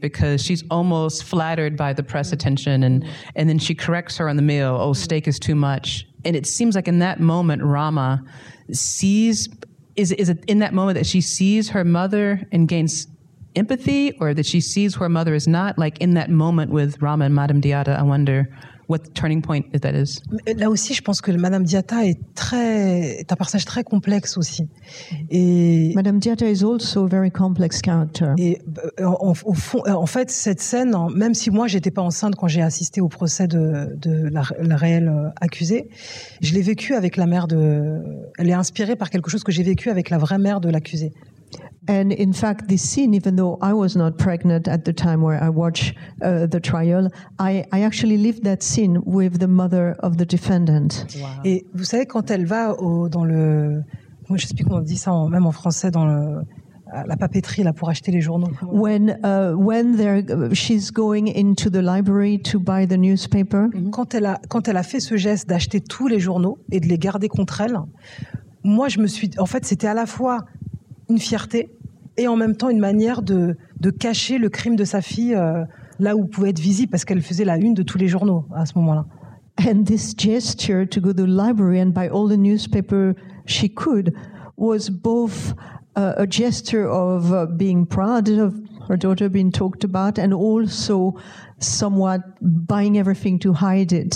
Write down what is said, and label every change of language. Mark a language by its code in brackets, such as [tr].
[en] Because she's almost flattered by the press attention, and then she corrects her on the meal, oh, steak is too much. And it seems like in that moment, Rama sees... Is it in that moment that she sees her mother and gains empathy, or that she sees her mother is not? Like in that moment with Rama and Madame Diatta, I wonder what the turning point that is. [fr] Là aussi, je pense que Madame Diatta est un personnage très complexe aussi. Et [en] Madame Diatta is also a very complex character. [fr] Et en fait, cette scène, même si moi j'étais pas enceinte quand j'ai assisté au procès de la réelle accusée, je l'ai vécue avec la mère de. Elle est inspirée par quelque chose que j'ai vécu avec la vraie mère de l'accusée. [en] And in fact, this scene, even though I was not pregnant at the time where I watched the trial, I actually lived that scene with the mother of the defendant. Wow. [fr] Et vous savez, quand elle va je ne sais plus comment on dit ça, même en français, la papeterie là pour acheter les journaux. [en] When she's going into the library to buy the newspaper. Mm-hmm. [fr] Quand elle a fait ce geste d'acheter tous les journaux et de les garder contre elle, moi je me suis, en fait, c'était à la fois une fierté et en même temps une manière de cacher le crime de sa fille là où pouvait être visible, parce qu'elle faisait la une de tous les journaux à ce moment-là. [en] And this gesture to go to the library and buy all the newspaper she could was both a gesture of being proud of her daughter being talked about and also somewhat buying everything to hide it.